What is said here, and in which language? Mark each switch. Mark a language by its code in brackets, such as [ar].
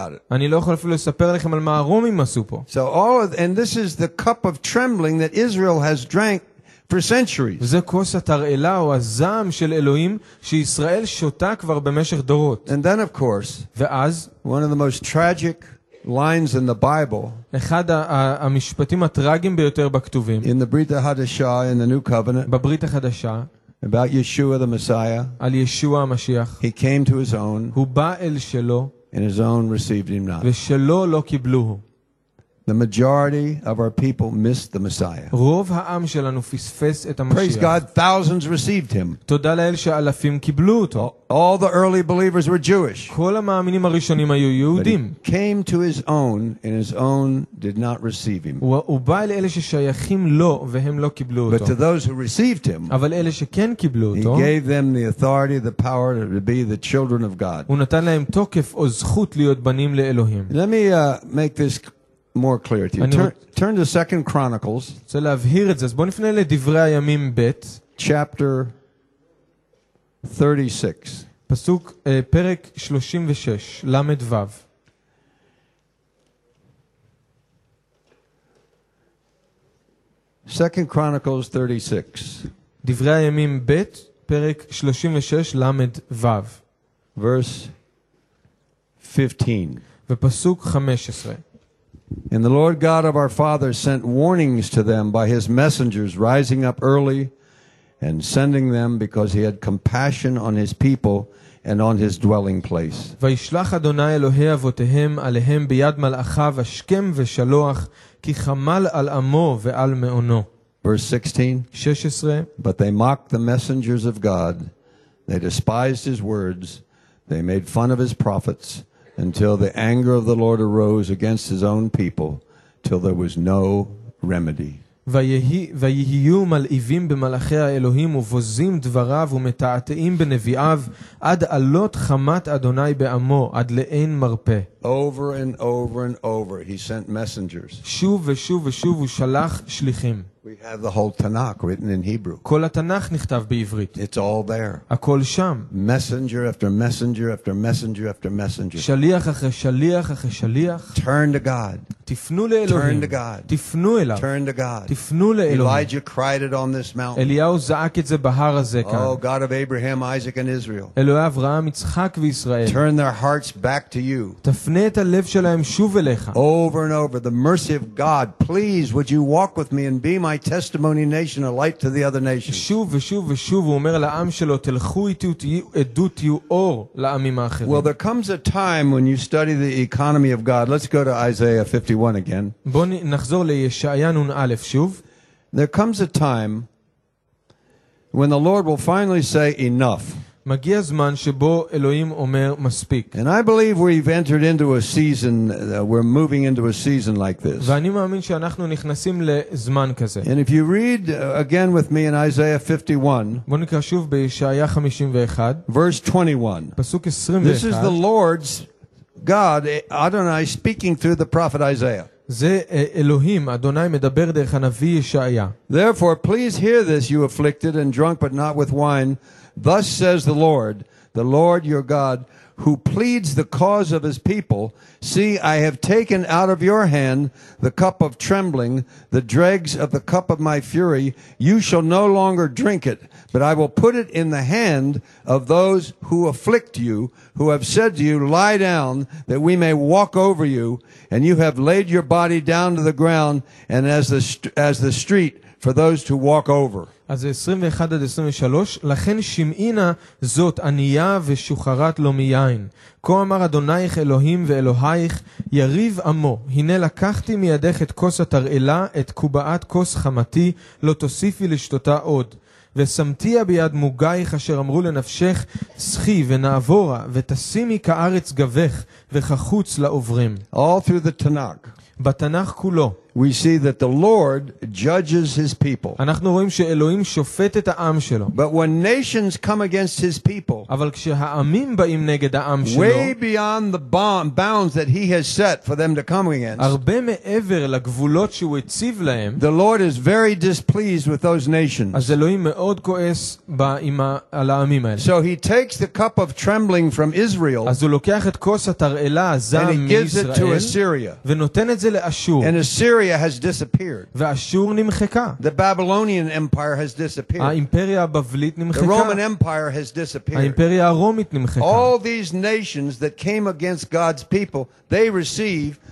[he] אני לא יכול אפילו לספר לכם על מה הרומים עשו פה. [en] So all of, and this is the cup of trembling that Israel has drank for centuries. [he] זה כוס התרעלה או הזעם של אלוהים שישראל שותה כבר במשך דורות. [en] And then of course, [he] ואז [en] one of the most tragic lines in the Bible. [he] אחד המשפטים הטרגיים ביותר בכתובים. [en] In the Brit Hadasha in the New Covenant. [he] בברית החדשה. [en] About Yeshua the Messiah. [he] על ישוע המשיח. [en] He came to his own. [he] הוא בא אל שלו. [en] And his own received him not. [he] ושלו לא קיבלו. [en] The majority of our people missed the Messiah. [he] רוב העם שלנו פספס את המשיח. [en] Praise God, thousands received him. [he] תודה לאל שאלפים קיבלו אותו. [en] All the early believers were Jewish. [he] כל המאמינים הראשונים היו יהודים. [en] But he came to his own and his own did not receive him. [he] הוא בא לאלה ששייכים לו והם לא קיבלו אותו. [en] But to those who received him. [he] אבל אלה שכן קיבלו אותו. [en] He gave them the authority, the power to be the children of God. [he] הוא נתן להם תוקף או זכות להיות בנים לאלוהים. [en] Let me make this more clear to you. Turn to 2 Chronicles. [he] צריך להבהיר את זה. אז בוא נפנה לדברי הימים ב' [en] chapter 36. [he] פסוק פרק 36 למד וב. [en] Second Chronicles 36. [he] דברי הימים ב' פרק 36 למד וב. [en] Verse 15. [he] ופסוק 15. [en] And the Lord God of our fathers sent warnings to them by his messengers, rising up early and sending them because he had compassion on his people and on his dwelling place. [he] וישלח אדוני אלוהי אבותיהם עליהם ביד מלאכיו השכם ושלוח, כי חמל על עמו ועל מעונו. [en] Verse 16. But they mocked the messengers of God. They despised his words. They made fun of his prophets. Until the anger of the Lord arose against his own people, till there was no remedy. [he] ויהיו מלאיבים במלאכי האלוהים ובוזים דבריו ומתעתעים בנביאיו עד עלות חמת אדוני בעמו עד לאין מרפא. [en] Over and over and over he sent messengers. [he] שוב ושוב ושוב הוא שלח שליחים. [en] We have the whole Tanakh written in Hebrew. [he] כל התנ"ך נכתב בעברית. [en] It's all there. [he] הכל שם. [en] Messenger after messenger after messenger after messenger. [he] שליח אחרי שליח אחרי שליח. [en] Turn to God. [he] תפנו לאלוהים. [en] Turn to God. [he] תפנו אליו. [en] Turn to God. [he] תפנו לאלוהים. [en] Elijah cried it on this mountain. [he] אליהו זעק את זה בהר הזה כאן. [en] Oh God of Abraham, Isaac and Israel. [he] אלוהי אברהם, יצחק וישראל. [en] Turn their hearts back to you. [he] תפנה את הלב שלהם שוב אליך. [en] Over and over the mercy of God, please would you walk with me and be my testimony nation a light to the other nations. [he] שוב ושוב ושוב הוא אומר לעם שלו תלכו איתי עדות תהיו אור לעמים האחרים. [en] Well there comes a time when you study the economy of God. Let's go to Isaiah 51 again. [he] בוא נחזור לישעיה נון א' שוב. [en] There comes a time when the Lord will finally say enough. [he] מגיע זמן שבו אלוהים אומר מספיק. [en] And I believe we've entered into a season, we're moving into a season like this. [he] ואני מאמין שאנחנו נכנסים לזמן כזה. [en] And if you read again with me in Isaiah 51, [he] בוא נקרא שוב בישעיה 51, [en] verse 21. [he] פסוק 21. [en] This is the Lord's God, Adonai, speaking through the prophet Isaiah. [he] זה אלוהים אדוני מדבר דרך הנביא ישעיה. [en] Therefore please hear this you afflicted and drunk but not with wine. Thus says the Lord your God who pleads the cause of his people, see I have taken out of your hand the cup of trembling, the dregs of the cup of my fury, you shall no longer drink it, but I will put it in the hand of those who afflict you, who have said to you, lie down that we may walk over you, and you have laid your body down to the ground and as the street for those to walk over. [he] אז 21 עד 23, לכן שמעינה זאת ענייה ושוחרת לא מיין. כה אמר אדונייך אלוהים ואלוהייך, יריב עמו, הנה לקחתי מידך את כוס התרעלה, את קובעת כוס חמתי, לא תוסיפי לשתותה עוד. ושמתי ביד מוגייך אשר אמרו לנפשך, שחי ונעבורה, ותשימי כארץ גבך וכחוץ לעוברים. [en] All through the Tanakh. [he] בתנך כולו. [en] We see that the Lord judges his people. [he] אנחנו רואים שאלוהים שופט את העם שלו. [en] But when nations come against his people. [he] אבל כשהעמים באים נגד העם שלו. [en] Way beyond the bounds that he has set for them to come against. [he] הרבה מעבר לגבולות שהוא הציב להם. [en] The Lord is very displeased with those nations. [he] אז אלוהים מאוד כועס על העמים האלה. [en] So he takes the cup of trembling from Israel. [he] אז הוא לוקח את כוס התרעלה הזעם מישראל. [en] And he gives it to Assyria. [he] ונותן את זה לאשור. [en] And Assyria has disappeared. [he] ואשור נמחקה. [en] The Babylonian Empire has disappeared. [he] האימפריה הבבלית נמחקה. [en] The Roman Empire has disappeared. [he] האימפריה הרומית נמחקה. [en] All these nations that came against God's people, they receive